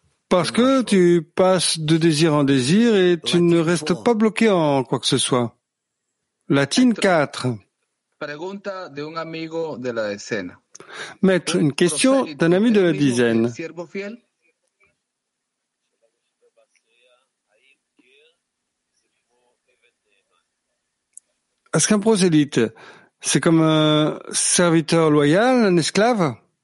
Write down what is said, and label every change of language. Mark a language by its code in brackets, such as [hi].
[fr] Parce que tu passes de désir en désir et tu ne restes pas bloqué en quoi que ce soit. Latine 4. [es] Pregunta de un amigo de la decena. [fr] Maître, une question d'un ami de la dizaine. Est-ce qu'un prosélyte, c'est comme un serviteur loyal, un esclave?